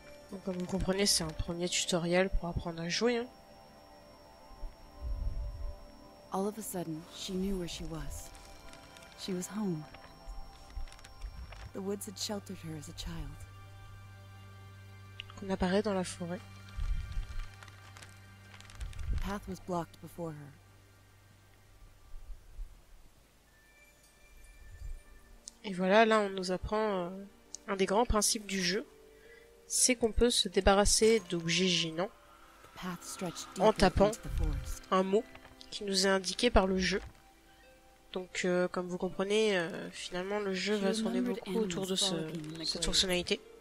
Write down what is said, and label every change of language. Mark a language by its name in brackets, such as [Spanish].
[French] Donc comme vous comprenez, c'est un premier tutoriel pour apprendre à jouer. Hein. [English] All of a sudden, she knew where she was. She was home. The woods had sheltered her as a child. [French] On apparaît dans la forêt. [English] The path was blocked before her. [French] Et voilà, là on nous apprend un des grands principes du jeu, c'est qu'on peut se débarrasser d'objets gênants [English] the path stretched [French] en tapant un mot qui nous est indiqué par le jeu. Donc, comme vous comprenez, finalement, le jeu va tourner beaucoup autour de cette fonctionnalité.